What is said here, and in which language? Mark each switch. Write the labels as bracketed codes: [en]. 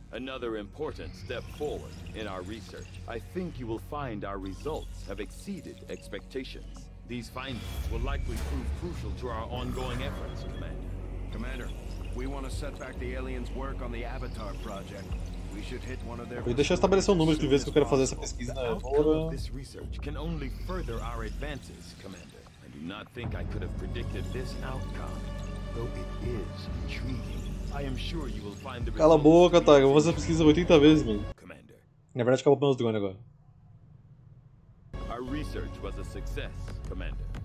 [en] Another important step forward in our research. I think you will find our results have exceeded expectations. These findings will likely prove crucial to our ongoing efforts, Commander. Commander, we want to set back the aliens' work on the Avatar project. [pt] Deixa eu estabelecer o número de vezes que eu quero fazer essa pesquisa na hora. [en] This research can only further our advances, Commander. I do not think I could have predicted this outcome, though it is intriguing. I am sure you will find the. [pt] Cala a boca, tá? Eu vou fazer essa pesquisa 80 vezes, mano. Na verdade, acabou pelo drone agora. [en] Our research was a success, Commander.